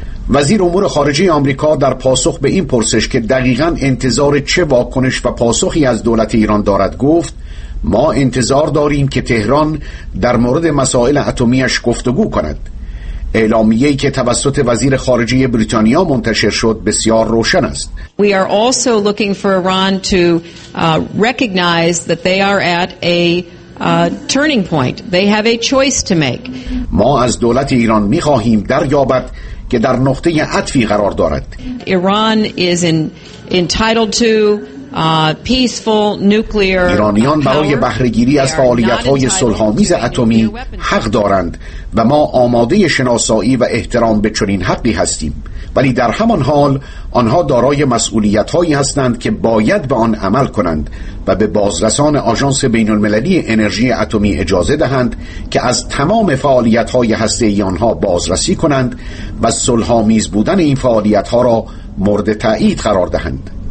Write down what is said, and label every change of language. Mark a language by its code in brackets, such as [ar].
[fa] وزیر امور خارجه آمریکا در پاسخ به این پرسش که دقیقاً انتظار چه واکنش و پاسخی از دولت ایران دارد گفت ما انتظار داریم که تهران در مورد مسائل اتمی‌اش گفتگو کند. اعلامیه‌ای که توسط وزیر خارجه بریتانیا منتشر شد بسیار روشن است. [en] We are also looking for Iran to recognize that they are at a turning point. They have a choice to make. [fa] ما از دولت ایران می‌خواهیم دریابد که در نقطه عطفی قرار دارد. [en] Iran is entitled to peaceful nuclear. [fa] ایرانیان برای بهره‌گیری از فعالیت‌های صلح‌آمیز اتمی حق دارند و ما آماده شناسایی و احترام به چنین حقی هستیم، ولی در همان حال آنها دارای مسئولیت‌هایی هستند که باید به آن عمل کنند و به بازرسان آژانس بین‌المللی انرژی اتمی اجازه دهند که از تمام فعالیت‌های هسته‌ای آنها بازرسی کنند و صلح‌آمیز بودن این فعالیت‌ها را مورد تأیید قرار دهند.